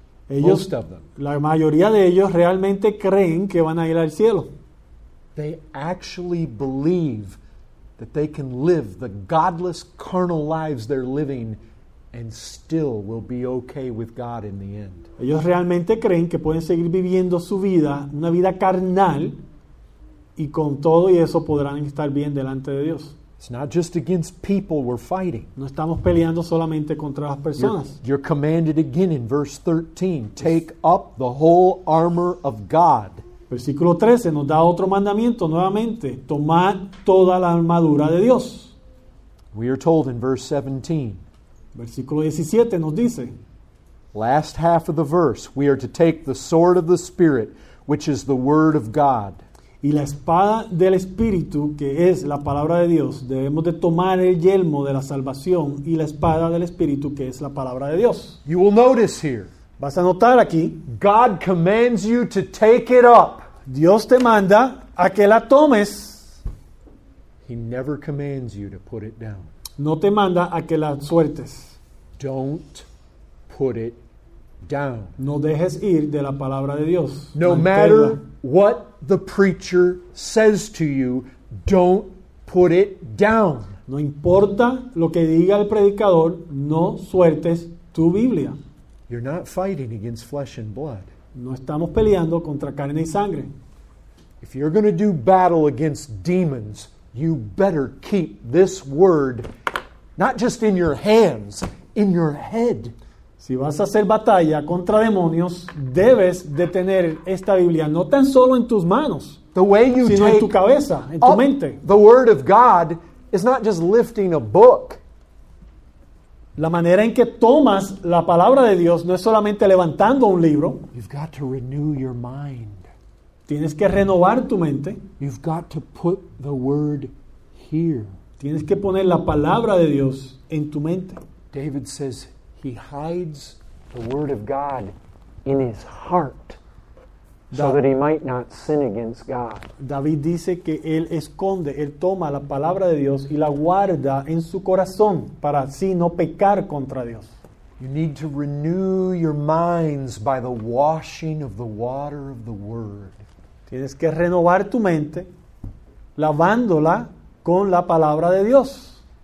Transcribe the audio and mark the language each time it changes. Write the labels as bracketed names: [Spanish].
[Spanish] Ellos, [English] most of them. [Spanish] La mayoría de ellos realmente creen que van a ir al cielo. [English] They actually believe that they can live the godless, carnal lives they're living and still will be okay with God in the end. [Spanish] Ellos realmente creen que pueden seguir viviendo su vida, una vida carnal, y con todo y eso podrán estar bien delante de Dios. [English] It's not just against people we're fighting. [Spanish] No estamos peleando solamente contra las personas. [English] You're commanded again in verse 13, take up the whole armor of God. [Spanish] Versículo 13 nos da otro mandamiento nuevamente, tomad toda la armadura de Dios. [English] We are told in verse 17. [Spanish] Versículo 17 nos dice, [English] last half of the verse, we are to take the sword of the Spirit, which is the word of God. [Spanish] Y la espada del Espíritu, que es la palabra de Dios, debemos de tomar el yelmo de la salvación y la espada del Espíritu, que es la palabra de Dios. [English] You will notice here. [Spanish] Vas a notar aquí. [English] God commands you to take it up. [Spanish] Dios te manda a que la tomes. [English] He never commands you to put it down. [Spanish] No te manda a que la sueltes. [English] Don't put it down. [Spanish] No dejes ir de la palabra de Dios. [English] No matter what the preacher says to you, don't put it down. [Spanish] No importa lo que diga el predicador, no sueltes tu Biblia. [English] You're not fighting against flesh and blood. [Spanish] No estamos peleando contra carne y sangre. [English] If you're going to do battle against demons, you better keep this word not just in your hands, in your head. [Spanish] Si vas a hacer batalla contra demonios, debes de tener esta Biblia no tan solo en tus manos, [English] the way you [Spanish] sino [English] take [Spanish] en tu cabeza, en tu mente. [English] The word of God is not just lifting a book. [Spanish] La manera en que tomas la palabra de Dios no es solamente levantando un libro. [English] You've got to renew your mind. [Spanish] Tienes que renovar tu mente. [English] You've got to put the word here. [Spanish] Tienes que poner la palabra de Dios en tu mente. [English] David says he hides the word of God in his heart so that he might not sin against God. [Spanish] David dice que él esconde, él toma la palabra de Dios y la guarda en su corazón para así no pecar contra Dios. [English] You need to renew your minds by the washing of the water of the word. [Spanish] Tienes que renovar tu mente lavándola con la palabra de Dios.